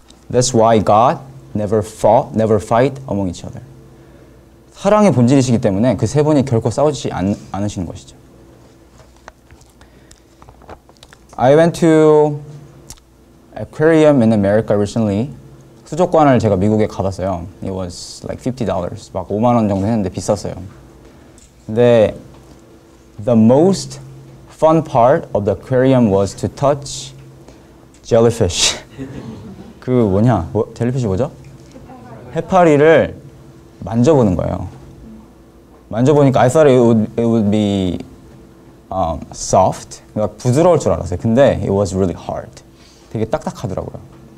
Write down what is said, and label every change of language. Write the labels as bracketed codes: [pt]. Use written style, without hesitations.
[en] That's why God never fight among each other. [ko] 사랑의 본질이시기 때문에 그 세 분이 결코 싸우지 않으시는 것이죠. [en] I went to aquarium in America recently. [ko] 수족관을 제가 미국에 가봤어요. [en] It was like $50. [ko] 막 5만 원 정도 했는데 비쌌어요. 근데 [en] the most fun part of the aquarium was to touch jellyfish. [ko] 그 뭐냐? 뭐, 젤리피시 뭐죠? 해파리를 만져보는 거예요. 만져보니까 [en] I thought it would be soft. [ko] 그러니까 부드러울 줄 알았어요. 근데 [en] it was really hard. [ko] 되게 딱딱하더라고요.